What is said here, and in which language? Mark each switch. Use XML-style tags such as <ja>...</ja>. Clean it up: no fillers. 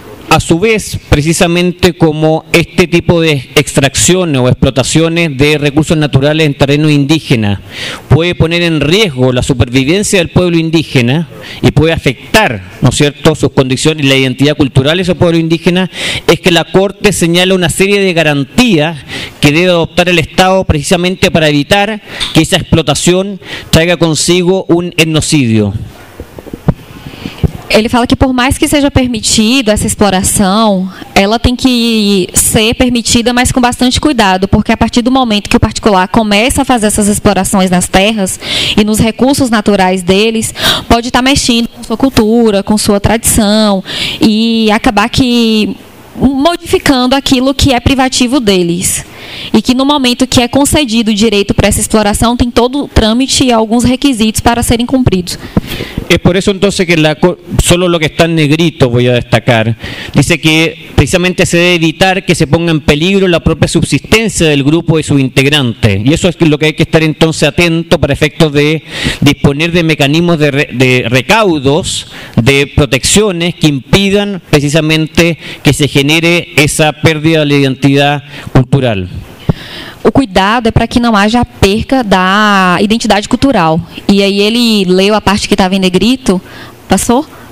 <es>A su vez, precisamente como este tipo de extracciones o explotaciones de recursos naturales en terreno indígena puede poner en riesgo la supervivencia del pueblo indígena y puede afectar, ¿no es cierto?, sus condiciones y la identidad cultural de ese pueblo indígena, es que la Corte señala una serie de garantías que debe adoptar el Estado precisamente para evitar que esa explotación traiga consigo un etnocidio.</es> <pt>Ele fala que por mais que seja permitido essa exploração, ela tem que ser permitida, mas com bastante cuidado, porque a partir do momento que o particular começa a fazer essas explorações nas terras e nos recursos naturais deles, pode estar mexendo com sua cultura, com sua tradição e acabar que modificando aquilo que é privativo deles. E que no momento que é concedido o direito para essa exploração, tem todo o trâmite e alguns requisitos para serem cumpridos.</pt> <es>Es por eso entonces que solo lo que está en negrito voy a destacar. Dice que precisamente se debe evitar que se ponga en peligro la propia subsistencia del grupo y su integrante. Y eso es lo que hay que estar entonces atento para efectos de disponer de mecanismos de recaudos, de protecciones que impidan precisamente que se genere esa pérdida de la identidad cultural.</es> <pt>O cuidado é para que não haja perca da identidade cultural. E aí ele leu a parte que estava em negrito. Passou?</pt>